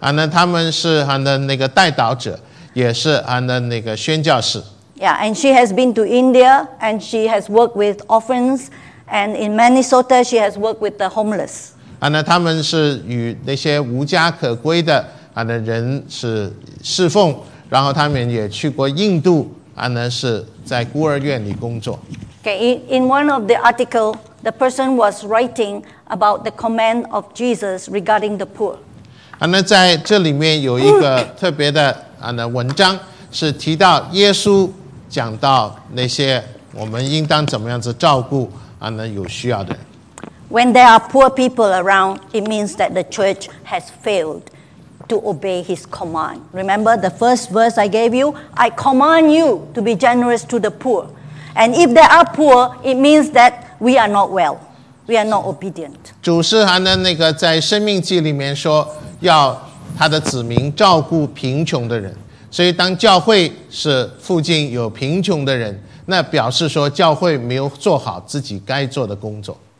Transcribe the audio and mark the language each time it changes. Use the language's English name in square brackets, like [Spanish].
[Chinese] 他们是那个代祷者，也是那个宣教士。 [English] Yeah, and she has been to India and she has worked with orphans. And in Minnesota, she has worked with the homeless. [Chinese] 他们是与那些无家可归的啊，那人是侍奉，然后他们也去过印度，啊，那是在孤儿院里工作。 [English] Okay, in one of the article, the person was writing about the command of Jesus regarding the poor. [Chinese] 啊，那在这里面有一个特别的啊，那文章是提到耶稣讲到那些我们应当怎么样子照顾啊，那有需要的人。 [English] When there are poor people around, it means that the church has failed to obey his command. Remember the first verse I gave you? I command you to be generous to the poor. And if there are poor, it means that we are not well. We are not obedient. [Chinese] 主是他的那个在生命记里面说要他的子民照顾贫穷的人。所以当教会是附近有贫穷的人，那表示说教会没有做好自己该做的工作。